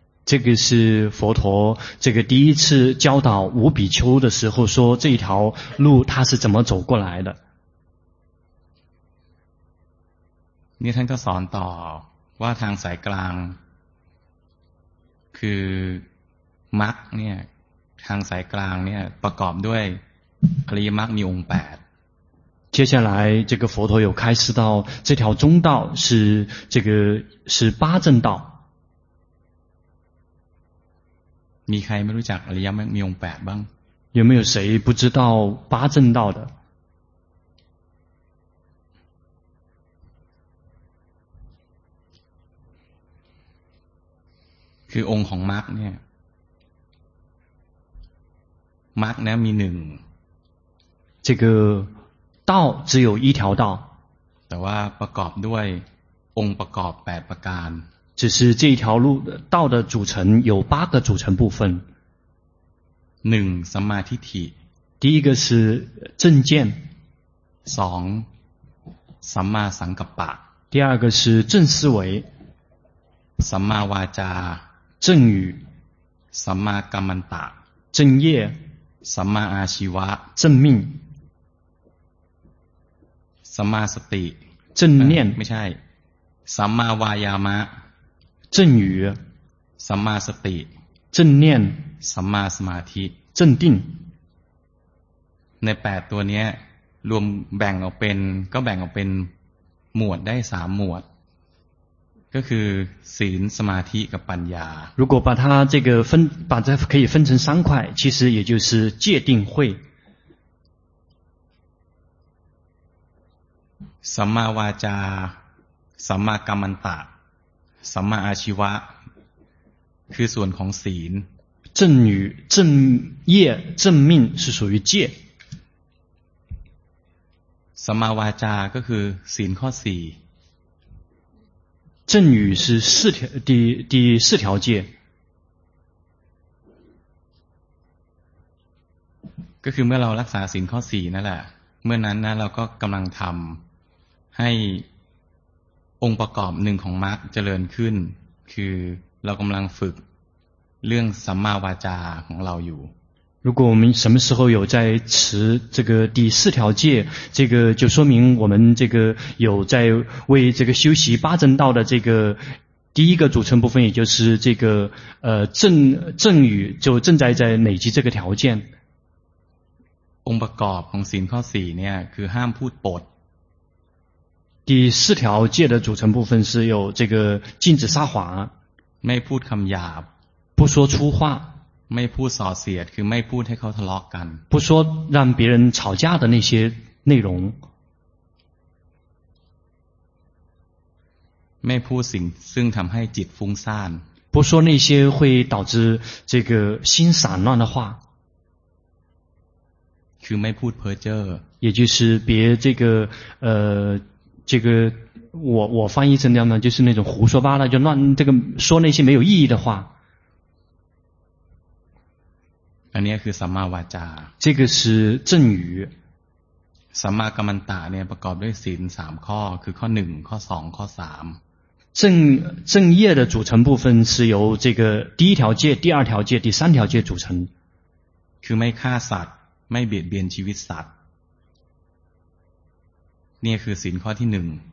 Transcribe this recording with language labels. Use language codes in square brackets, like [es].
[zh] 这个是佛陀这个第一次教导五比丘的时候说这一条路他是怎么走过来的 [th] นี่ท่านก็สอนต่อว่าทางสายกลางคือมรรคเนี่ยทางสายกลางเนี่ยประกอบด้วยอริยมรรคมีองค์8 [zh] 接下来这个佛陀有开示到这条中道是这个是八正道 [th] มีใครไม่รู้จักอริยมรรคมีองค์8บ้าง [zh] 有没有谁不知道八正道的 [th] คือองค์ของมรรคเนี่ยมรรคเนี่ยมี1 [zh] 这个道只有一条道 [th] แต่ว่าประกอบด้วยองค์ประกอบ8ประการ [zh] 只是这一条路道的组成有八个组成部分 [th] 1สัมมาทิฏฐิ [zh] 第一个是正见 [th] 2สัมมาสังกัปปะ [zh] 第二个是正思维 [th] สัมมาวาจา [zh] 正语 [th] สัมมากัมมันตะ [zh] 正业 [th] สัมมาอาชีวะ [zh] 正命 [th] สัมมาสติ [zh] 正念 [th] ไม่ใช่สัมมาวายามะ [zh] 正语 [th] สัมมาสติ [zh] 正念 [th] สัมมาสมาธิ [zh] 正定 [th] ใน8ตัวนี้รวมแบ่งออกเป็นก็แบ่งออกเป็นหมวดได้3หมวดก็คือศีลสมาธิกับปัญญา [zh] 如果把它这个分把它可以分成三块其实也就是戒定慧 [th] สัมมาวาจาสัมมากัมมันตะสัมมาอาชีวะคือส่วนของศีล [zh] 正语正业正命是属于戒 [th] สัมมาวาจาก็คือศีลข้อ4 [zh] 正语是四条第四条戒 [th] ก็คือเมื่อเรารักษาศีลข้อ4นั่นแหละเมื่อนั้นนะเราก็กำลังทำให้องค์ประกอบหนึ่งของมรรคเจริญขึ้นคือเรากำลังฝึกเรื่องสัมมาวาจาของเราอยู่ [zh] 如果我们什么时候有在持这个第四条戒这个就说明我们这个有在为这个修习八正道的这个第一个组成部分也就是这个正语就正在累积这个条件 [th] องค์ประกอบของศีลข้อ4เนี่ยคือห้ามพูดปด [zh] 第四条戒的组成部分是有这个禁止撒谎 [th] ไม่พูดคำหยาบ [zh] 不说粗话 [th] ไม่พูดส่อเสียดคือไม่พูดให้เขาทะเลาะกัน [zh] 不说让别人吵架的那些内容 [th] ไม่พูดสิ่งซึ่งทำให้จิตฟุ้งซ่าน [zh] 不说那些会导致这个心散乱的话 [th] คือไม่พูดเพ้อเจ้อ [zh] 也就是别这个这个我翻译成这样呢就是那种胡说八道就乱这个说那些没有意义的话 [th] อันนี้คือสัมมาวาจา [zh] 这个是正语 [th] สัมมากัมมันตะเนี่ยประกอบด้วยศีล3ข้อคือข้อ1ข้อ2ข้อ3 [zh] 正业的组成部分是由这个第一条戒第二条戒第三条戒组成 [th] คือไม่ฆ่าสัตว์ไม่เบียดเบียนชีวิตสัตว์นี่คือศีลข้อที่หนึ่ง